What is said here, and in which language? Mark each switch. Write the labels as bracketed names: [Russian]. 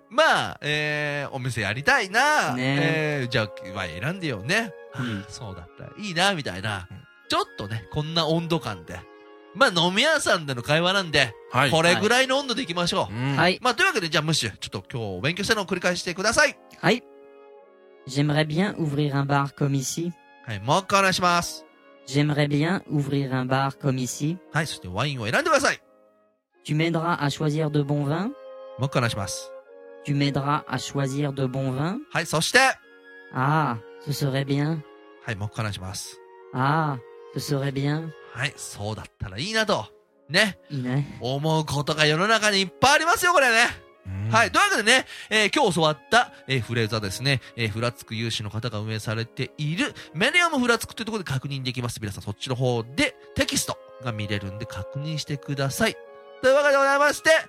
[Japanese] まあ、お店やりたいな、ね、じゃあワイン選んでよね、うん、そうだったらいいなみたいな、うん、ちょっとねこんな温度感で、まあ飲み屋さんでの会話なんで、はい、これぐらいの温度でいきましょう、はい、うん、まあ、というわけでじゃあムッシュちょっと今日お勉強したのを繰り返してください、はい、 [French] J'aimerais bien ouvrir un bar comme ici、 [Japanese] はい、もう一回お願いします、 [French] J'aimerais bien ouvrir un bar comme ici、 [Japanese] はい、そしてワインを選んでください、 [French] Tu m'aideras à choisir de bon vin、 [Japanese] もう一回お願いします、 [French] Tu m'aideras à choisir de bons vins? [Japanese] はい、そして。 [French] Ah, ce serait bien. [Japanese] はい、もう一回お願いします。 [French] Ah, ce serait bien. [Japanese] はい、そうだったらいいなと。ね。いいね。思うことが世の中にいっぱいありますよ、これね。はい、というわけでね、今日教わった、フレーズはですね、フラツク有志の方が運営されているメディアムフラツクというところで確認できます。皆さん、そっちの方でテキストが見れるんで確認してください。というわけでございまして、